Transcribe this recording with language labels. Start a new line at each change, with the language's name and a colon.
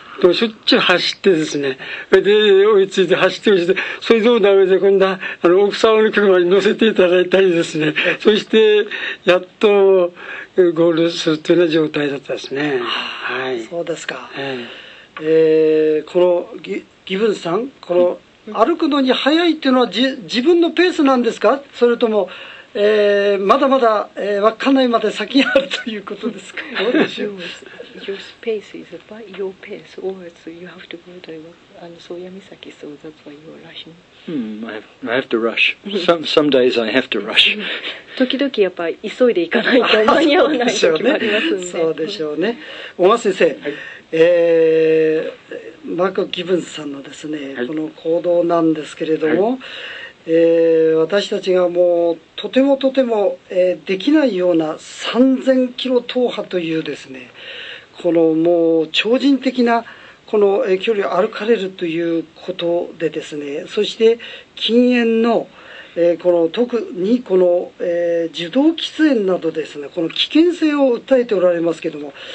Japanese: でしょっちゅう走ってですね、で追いついて走って追いついて、それでもダメで、今度は奥様の車に乗せていただいたりですね、そしてやっとゴールするというような状態だったですね、はい、そうですか、はい、このギブンさん、この歩くのに速いというのは自分のペースなんですか、それともまだまだ稚内まで先にあるということですか。どうでしょう。
English: your space is by your pace, or so you have to go to Soya Misaki, so that's why you're rushing. I have to rush. Some days I have to rush.
Japanese: 時々やっぱ急いでいかないと間に合わない時もありますんで。そうでしょうね。小松先生、はい、マーク・ギブンさんのですね、はい、この行動なんですけれども、はい、私たちがもうとてもとても、できないような3000キロ踏破というですね、このもう超人的なこの距離を歩かれるということでですね、そして禁煙のこの特にこの、受動喫煙などですね、この危険性を訴えておられますけれども、